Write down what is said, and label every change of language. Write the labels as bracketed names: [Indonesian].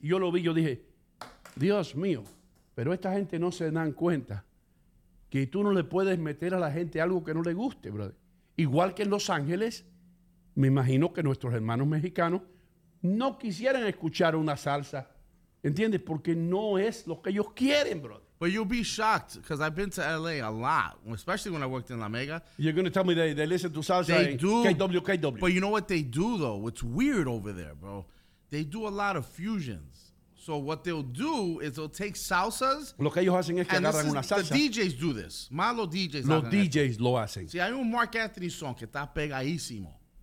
[Spanish] Y yo lo vi, yo dije, Dios mío, pero esta gente no se dan cuenta que tú no le puedes meter a la gente algo que no le guste, brother. Igual que en Los Ángeles, me imagino que nuestros hermanos mexicanos no quisieran escuchar una salsa, ¿entiendes? Porque no es lo que ellos quieren, brother. [English] But you'll be shocked because I've been to LA a lot, especially when I worked in La Mega. You're going to tell me they listen to salsa. They do. KW. But you know what they do, though? What's weird over there, bro? They do a lot of fusions. So what they'll do is they'll take salsas. [Spanish] Lo que ellos hacen es que agarran una salsa. [English] The DJs do this. Malo DJs. [Spanish] Los DJs lo hacen. Si hay un Mark Anthony song que está pegadísimo.